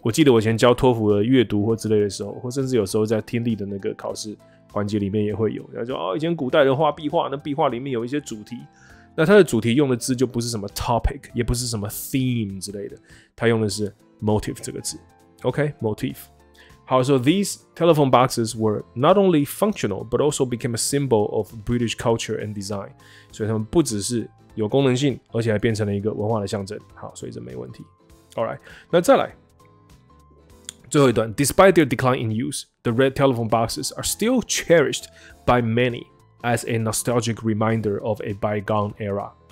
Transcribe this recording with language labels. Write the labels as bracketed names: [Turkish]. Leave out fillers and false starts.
[Chinese] 我记得我以前教托福的阅读或之类的时候，或甚至有时候在听力的那个考试环节里面也会有，他说哦，以前古代的画壁画，那壁画里面有一些主题，那它的主题用的字就不是什么 topic， 也不是什么 theme 之类的，它用的是 motif 这个字 ，OK， motif。 [English] 好 ，so these telephone boxes were not only functional, but also became a symbol of British culture and design. [Chinese] 所以他们不只是有功能性，而且还变成了一个文化的象征。好，所以这没问题。 [English] All right, [Chinese] 那再来最后一段。 [English] Despite their decline in use, the red telephone boxes are still cherished by many as a nostalgic reminder of a bygone era.